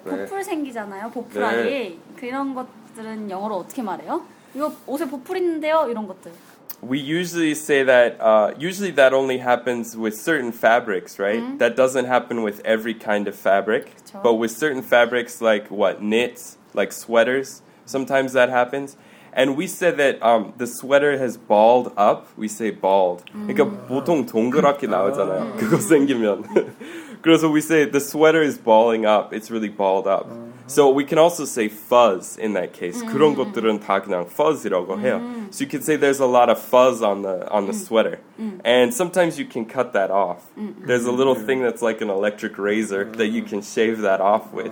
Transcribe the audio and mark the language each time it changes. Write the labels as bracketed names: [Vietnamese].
[Korean] 보풀 생기잖아요, 보풀알이. 네. 그런 것들은 영어로 어떻게 말해요? 이거 옷에 보풀 있는데요, 이런 것들. [English] We usually say that, usually that only happens with certain fabrics, right? Mm-hmm. That doesn't happen with every kind of fabric. [Korean] 그쵸. [English] But with certain fabrics like what, knits, like sweaters, sometimes that happens. And we said that the sweater has balled up. We say balled. [Korean] 그러니까 보통 동그랗게 나오잖아요, 그거 생기면. [English] 그래서 we say the sweater is balling up. It's really balled up. So we can also say fuzz in that case. [Korean] 그런 것들은 다 그냥 fuzz이라고 해요. [English] So you can say there's a lot of fuzz on the sweater. And sometimes you can cut that off. There's a little thing that's like an electric razor that you can shave that off with.